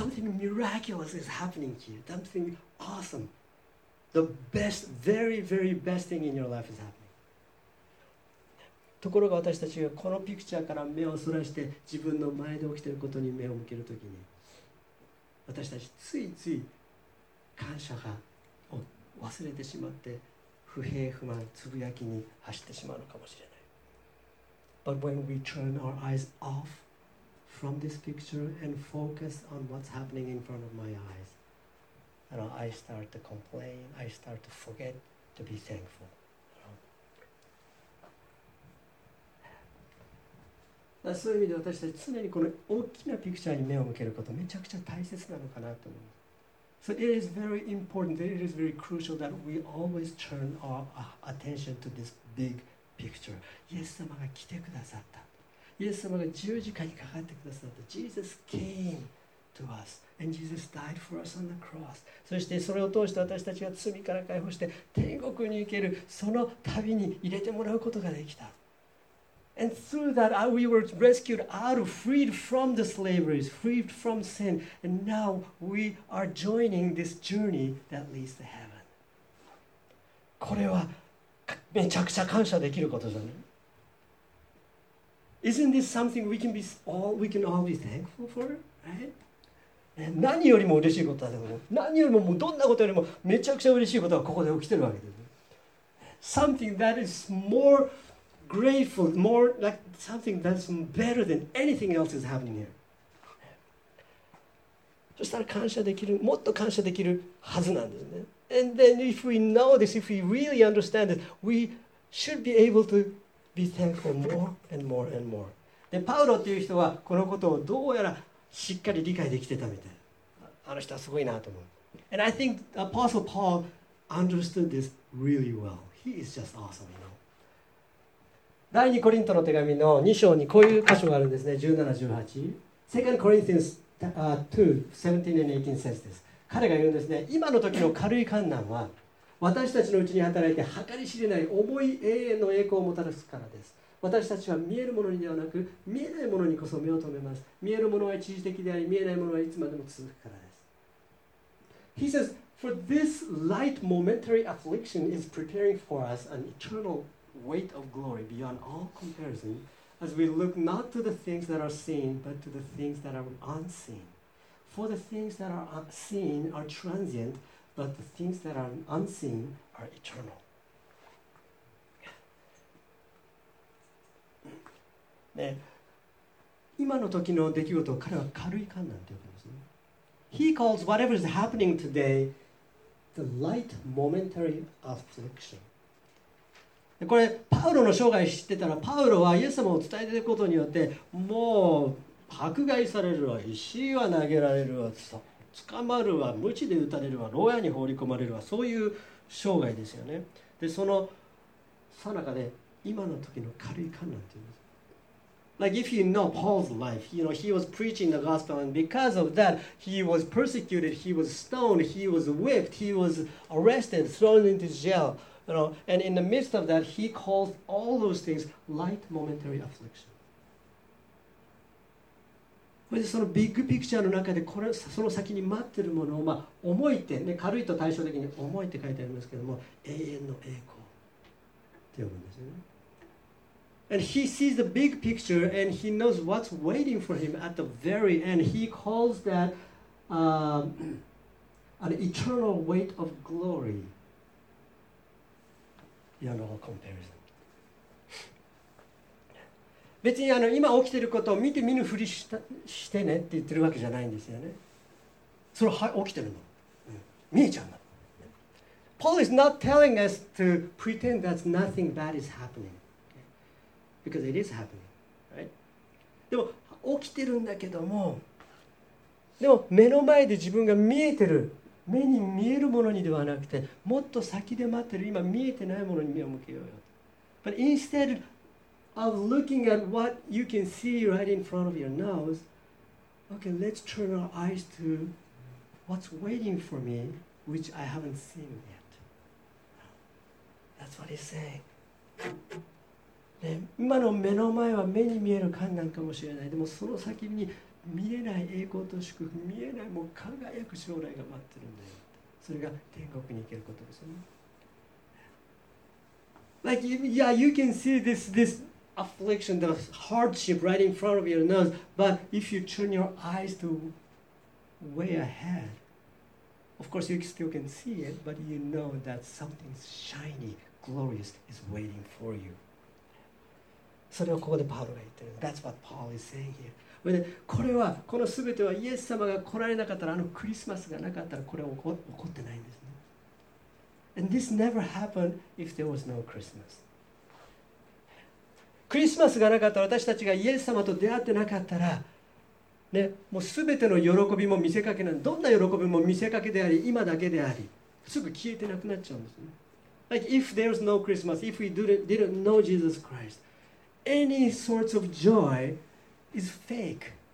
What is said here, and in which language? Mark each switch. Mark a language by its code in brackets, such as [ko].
[en] Something miraculous is happening here. Something awesome. The best, very, very best thing in your life is happening. [ja] ところが私たちがこのピクチャーから目をそらして自分の前で起きてることに目を向けるときに、私たちついつい感謝を忘れてしまって、不平不満つぶやきに走ってしまうのかもしれない。 [en] But when we turn our eyes off from this picture and focus on what's happening in front of my eyes, you know, I start to complain, I start to forget to be thankful. You know? [ja] そういう意味で私たち常にこの大きなピクチャーに目を向けることめちゃくちゃ大切なのかなと思います。 [en] So it is very important, it is very crucial that we always turn our attention to this big picture. [ja] イエス様が来てくださった。イエス様が十字架にかかってくださった。 [en] Jesus came to us and Jesus died for us on the cross. [ja] そしてそれを通して私たちが罪から解放して天国に行けるその旅に入れてもらうことができた。 [en] And through that, we were rescued out of, freed from the slaveries, freed from sin. And now we are joining this journey that leads to heaven. [ja] これはめちゃくちゃ感謝できることじゃない? [en] Isn't this something we can all be thankful for, right? [ja] 何よりも嬉しいことだよ。何よりももうどんなことよりもめちゃくちゃ嬉しいことがここで起きてるわけです。 [en] Something that is more... grateful, more like something that's better than anything else is happening here. [ja] そしたら感謝できる、もっと感謝できるはずなんですね。 [en] And then if we know this, if we really understand it, we should be able to be thankful more and more and more. [ja] で、パウロっていう人はこのことをどうやらしっかり理解できてたみたい。あの人はすごいなと思う。 [en] And I think Apostle Paul understood this really well. He is just awesome, you know. [ja] 第2コリントの手紙の2章にこういう箇所があるんですね。 [en] 17-18 2 Corinthians 2:17 and 18 says this. [ja] 彼が言うんですね。今の時の軽い患難は私たちのうちに働いて計り知れない重い永遠の栄光をもたらすからです。私たちは見えるものにではなく見えないものにこそ目を留めます。見えるものは一時的であり見えないものはいつまでも続くからです。 [en] He says for this light momentary affliction is preparing for us an eternalweight of glory beyond all comparison as we look not to the things that are seen but to the things that are unseen. For the things that are seen are transient but the things that are unseen are eternal. [ja] ね、今の時の出来事を彼は軽い患難って呼んでますね。 [en] He calls whatever is happening today the light momentary affliction. [ja] これパウロの生涯知ってたらパウロはイエス様を伝えていることによってもう迫害されるわ、石は投げられるわ、捕まるわ、鞭で打たれるわ、牢屋に放り込まれるわ、そういう生涯ですよね。でそのさなかで今の時の軽い患難って言うんです。 [en] Like if you know Paul's life, you know he was preaching the gospel and because of that he was persecuted, he was stoned, he was whipped, he was arrested, thrown into jail. You know, and in the midst of that, he calls all those things light momentary affliction. [ja] これでそのビッグピクチャーの中でこれその先に待ってるものを、まあ、重いって、ね、軽いと対照的に重いって書いてありますけども永遠の栄光って呼ぶんですよね。 [en] And he sees the big picture and he knows what's waiting for him at the very end. He calls that an eternal weight of glory. Comparison. [ja] 別にあの今起きていることを見て見ぬふりしてねって言ってるわけじゃないんですよね。それは起きてるの、うん、見えちゃうの。 [en] Paul is not telling us to pretend that nothing bad is happening because it is happening、right? [ja] でも起きてるんだけども、でも目の前で自分が見えてる、目に見えるものにではなくて、もっと先で待ってる今見えてないものに目を向けようよ。 [en] But instead of looking at what you can see right in front of your nose, okay, let's turn our eyes to what's waiting for me, which I haven't seen yet. That's what he's saying.、 [ja] ね、今の目の前は目に見える困難かもしれない。でもその先に見えない栄光と祝福、見えないもう輝く将来が待ってるんだよ。それが天国に行けることですね。 [en] Like, yeah, you can see this affliction, the hardship right in front of your nose, but if you turn your eyes to way ahead, of course you still can see it, but you know that something shiny, glorious is waiting for you. [ja] それをここでパウロが言ってる。 [en] That's what Paul is saying here. [ja] これはこの全てはイエス様が来られなかったら、あのクリスマスがなかったらこれは起こってないんですね。 [en] And this never happened if there was no Christmas. [ja] クリスマスがなかったら、私たちがイエス様と出会ってなかったら、ね、もう全ての喜びも見せかけなんどんな喜びも見せかけであり、今だけであり、すぐ消えてなくなっちゃうんですね。 [en] Like if there's no Christmas, if we didn't know Jesus Christ, any sorts of joy is fake.